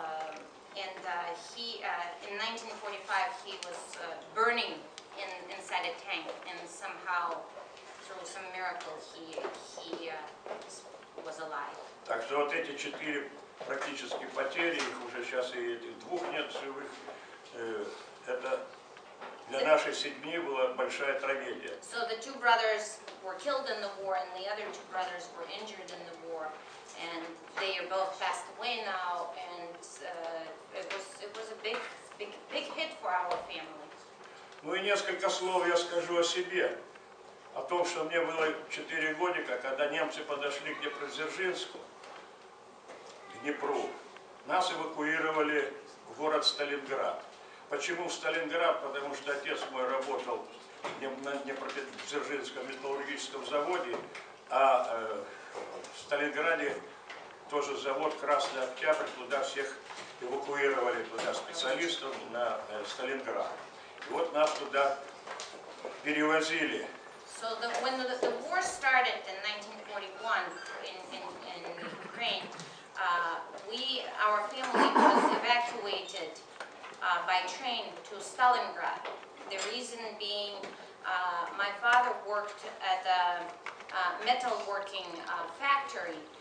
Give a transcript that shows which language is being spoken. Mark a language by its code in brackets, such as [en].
[en] And he, in 1945, he was burning inside a tank, and somehow, through some miracle, he was alive. [ru] Так что вот эти четыре практически потери, их уже сейчас и этих двух нет живых. Это для нашей семьи была большая трагедия. [en] So the two brothers were killed in the war, and the other two brothers were injured in the war, and they are both passed away now, and it was a big hit for our family. [ru] Ну и несколько слов я скажу о себе. О том, что мне было 4 годика, когда немцы подошли к Днепродзержинску, к Днепру. Нас эвакуировали в город Сталинград. Почему в Сталинград? Потому что отец мой работал на Днепродзержинском металлургическом заводе, а в Сталинграде тоже завод «Красный Октябрь», туда всех эвакуировали, туда специалистов на Сталинград. И вот нас туда перевозили. [en] So when the war started in 1941 in Ukraine, our family was evacuated by train to Stalingrad. The reason being, my father worked at a metalworking factory.